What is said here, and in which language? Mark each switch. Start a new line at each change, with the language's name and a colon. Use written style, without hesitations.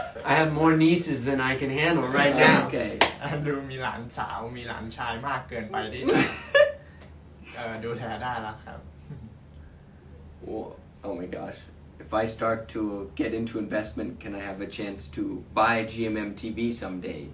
English: I have more nieces than I can handle right now. Okay.
Thai: แอนดรูมีหลานสาวมีหลานชายมากเกินไปที่ดูแลได้แล้วครับ
English: Oh my gosh. if I start to get into investment, can I have a chance to buy GMMTV someday?